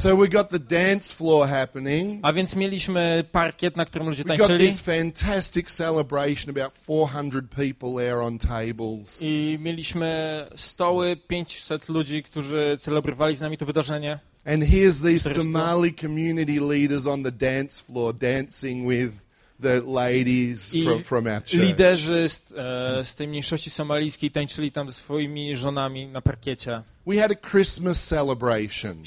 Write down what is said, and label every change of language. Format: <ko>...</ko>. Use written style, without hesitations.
<en>So we got the dance floor happening.</en> <pl>A więc mieliśmy parkiet, na którym ludzie</pl> <en>we</en> <pl>tańczyli.</pl> <en>We got this fantastic celebration, about 400 people there on tables.</en> <pl>I mieliśmy stoły, 500 ludzi, którzy celebrowali z nami to wydarzenie.</pl> <en>And here's these Somali community leaders on the dance floor dancing with the ladies from our church.</en> <pl>Liderzy z tej mniejszości somalijskiej tańczyli tam ze swoimi żonami na parkiecie.</pl> <en>We had a Christmas celebration.</en>